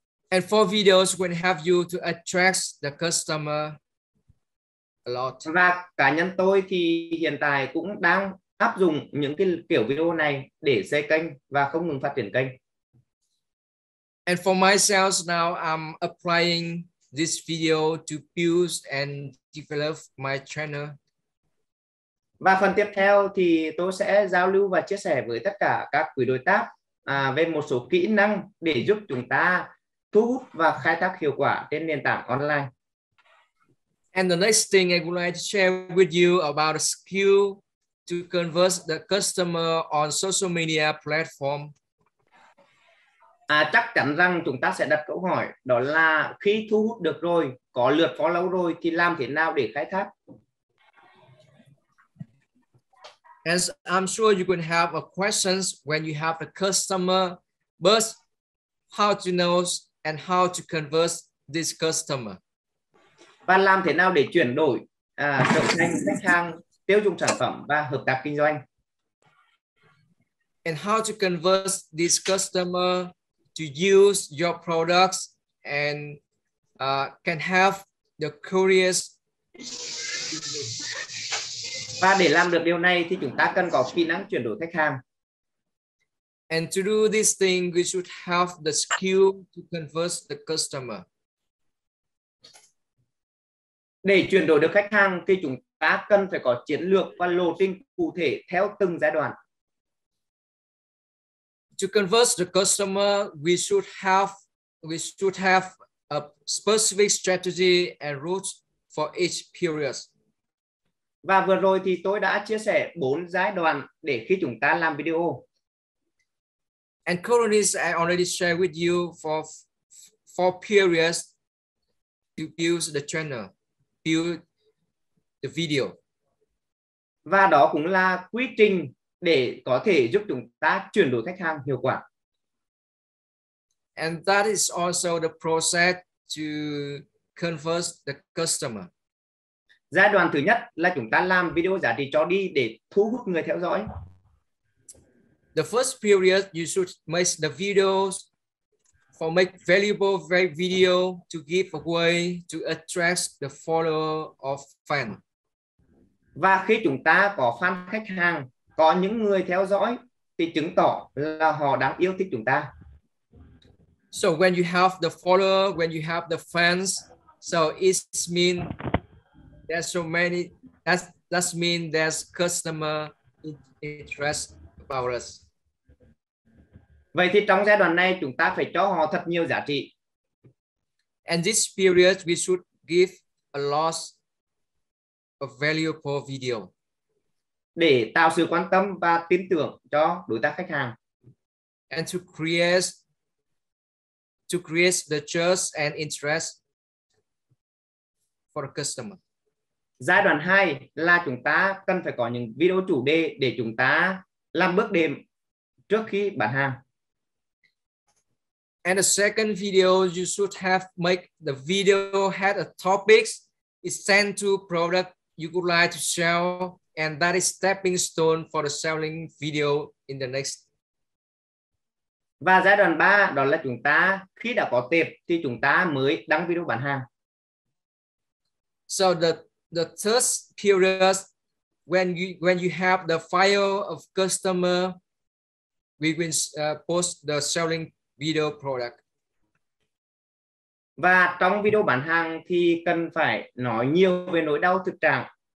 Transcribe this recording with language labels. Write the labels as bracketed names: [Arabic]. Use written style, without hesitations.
[English] And 4 videos will help you to attract the customer a lot. [Vietnamese] Và cá nhân tôi thì hiện tại cũng đang áp dụng những cái kiểu video này để xây kênh và không ngừng phát triển kênh. [English] And for myself now, I'm applying this video to build and develop my channel. [Vietnamese] Và phần tiếp theo thì tôi sẽ giao lưu và chia sẻ với tất cả các quý đối tác về một số kỹ năng để giúp chúng ta thu hút và khai thác hiệu quả trên nền tảng online. [English] And the next thing I would like to share with you about a skill to convert the customer on social media platform. [Vietnamese] Chắc chắn rằng chúng ta sẽ đặt câu hỏi đó là khi thu hút được rồi, có lượt follow rồi thì làm thế nào để khai thác? [English] As I'm sure you could have a questions when you have a customer, but how to know and how to convert this customer? [Vietnamese] Và làm thế nào để chuyển đổi trở thành khách hàng tiêu dùng sản phẩm và hợp tác kinh doanh? [English] And how to convert this customer to use your products and can have the curious. [Vietnamese] Và để làm được điều này thì chúng ta cần có kỹ năng chuyển đổi khách hàng. [English] And to do this thing, we should have the skill to convert the customer. [Vietnamese] Để chuyển đổi được khách hàng thì chúng ta cần phải có chiến lược và lộ trình cụ thể theo từng giai đoạn. [English] To convert the customer, we should have a specific strategy and route for each period. [Vietnamese] Và vừa rồi thì tôi đã chia sẻ 4 giai đoạn để khi chúng ta làm video. [English] And currently I already share with you for 4 periods to build the channel, build the video. [Vietnamese] Và đó cũng là quy trình để có thể giúp chúng ta chuyển đổi khách hàng hiệu quả. [English] And that is also the process to convert the customer. [Vietnamese] Giai đoạn thứ nhất là chúng ta làm video giá trị cho đi để thu hút người theo dõi. [English] The first period you should make the videos for make valuable video to give away to attract the follower of fan. [Vietnamese] Và khi chúng ta có fan khách hàng, có những người theo dõi thì chứng tỏ là họ đang yêu thích chúng ta. [English] So when you have the follower, when you have the fans, so it means there's so many, that means there's customer interest about us. [Vietnamese] Vậy thì trong giai đoạn này chúng ta phải cho họ thật nhiều giá trị. [English] And this period we should give a lot of valuable video. [Vietnamese] Để tạo sự quan tâm và tin tưởng cho đối tác khách hàng. [English] And to create the trust and interest for the customer. [Vietnamese] Giai đoạn 2 là chúng ta cần phải có những video chủ đề để chúng ta làm bước đệm trước khi bán hàng. [English] And the second video you should have make the video had a topic is sent to product you would like to sell and that is stepping stone for the selling video in the next. [Vietnamese] Và giai đoạn 3 đó là chúng ta khi đã có tệp thì chúng ta mới đăng video bán hàng. [English] So the third period when you have the file of customer we will post the selling video product. [Vietnamese] Và trong video bán hàng thì cần phải nói nhiều về nỗi đau thực trạng.